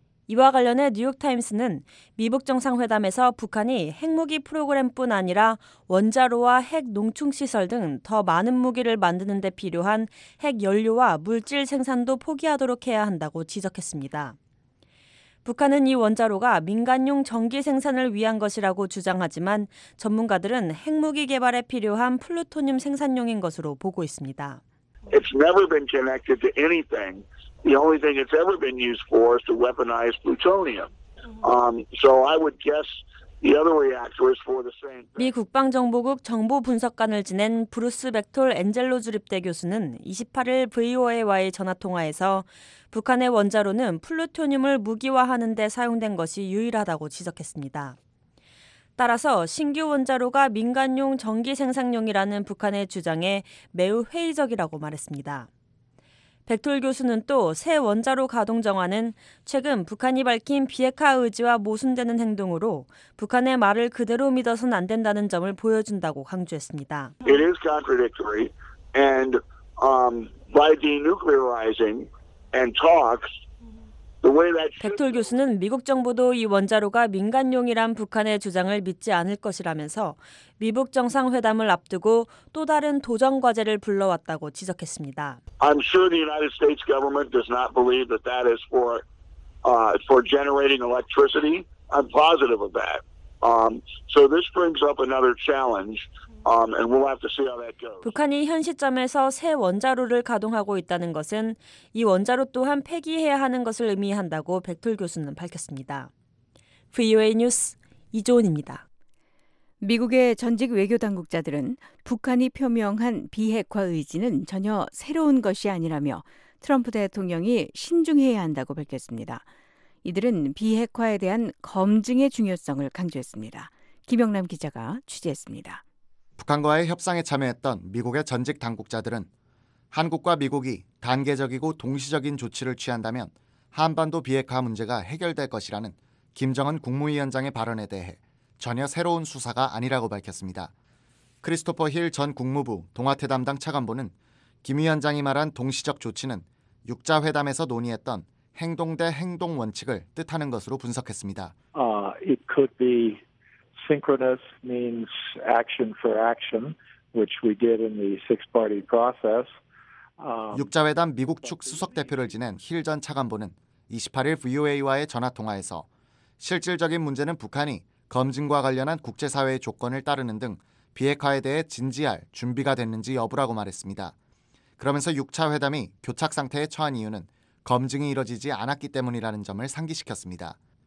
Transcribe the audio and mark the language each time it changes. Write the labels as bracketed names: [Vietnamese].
[Korean] 이와 관련해 뉴욕타임스는 미북 정상회담에서 북한이 핵무기 프로그램뿐 아니라 원자로와 핵 농축시설 등 더 많은 무기를 만드는 데 필요한 핵 연료와 물질 생산도 포기하도록 해야 한다고 지적했습니다. 북한은 이 원자로가 민간용 전기 생산을 위한 것이라고 주장하지만 전문가들은 핵무기 개발에 필요한 플루토늄 생산용인 것으로 보고 있습니다. [English] It's never been connected to anything. The only thing it's ever been used for is to weaponize plutonium. So I would guess the other reactor is for the same thing. [Korean] 미 국방정보국 정보분석관을 지낸 브루스 벡톨 엔젤로 주립대 교수는 28일 VOA와의 전화통화에서 북한의 원자로는 플루토늄을 무기화하는 데 사용된 것이 유일하다고 지적했습니다. 따라서 신규 원자로가 민간용 전기 생산용이라는 북한의 주장에 매우 회의적이라고 말했습니다. 백톨 교수는 또 새 원자로 가동 정화는 최근 북한이 밝힌 비핵화 의지와 모순되는 행동으로 북한의 말을 그대로 믿어서는 안 된다는 점을 보여준다고 강조했습니다. [English] It is contradictory and by denuclearizing and talks [Korean] 백톨 교수는 미국 정부도 이 원자로가 민간용이란 북한의 주장을 믿지 않을 것이라면서 미북 정상회담을 앞두고 또 다른 도전 과제를 불러왔다고 지적했습니다. [English] I'm sure the United States government does not believe that that is for generating electricity. I'm positive of that. So this brings up another challenge. And we'll have to see how that goes. [Korean] 북한이 현 시점에서 새 원자로를 가동하고 있다는 것은 이 원자로 또한 폐기해야 하는 것을 의미한다고 백톨 교수는 밝혔습니다. VOA 뉴스 이조은입니다. 미국의 전직 외교 당국자들은 북한이 표명한 비핵화 의지는 전혀 새로운 것이 아니라며 트럼프 대통령이 신중해야 한다고 밝혔습니다. 이들은 비핵화에 대한 검증의 중요성을 강조했습니다. 김영남 기자가 취재했습니다. 북한과의 협상에 참여했던 미국의 전직 당국자들은 한국과 미국이 단계적이고 동시적인 조치를 취한다면 한반도 비핵화 문제가 해결될 것이라는 김정은 국무위원장의 발언에 대해 전혀 새로운 수사가 아니라고 밝혔습니다. 크리스토퍼 힐 전 국무부 동아태 담당 차관보는 김 위원장이 말한 동시적 조치는 육자회담에서 논의했던 행동 대 행동 원칙을 뜻하는 것으로 분석했습니다. [English] It could be synchronous means action for action, which we did in the six-party process. [Korean] 육자회담 미국 측 수석 대표를 지낸 힐 전 차관보는 28일 VOA와의 전화 통화에서 실질적인 문제는 북한이 검증과 관련한 국제사회의 조건을 따르는 등 비핵화에 대해 진지할 준비가 됐는지 여부라고 말했습니다. 그러면서 6차회담이 교착상태에 처한 이유는 검증이 이뤄지지 않았기 때문이라는 점을 상기시켰습니다.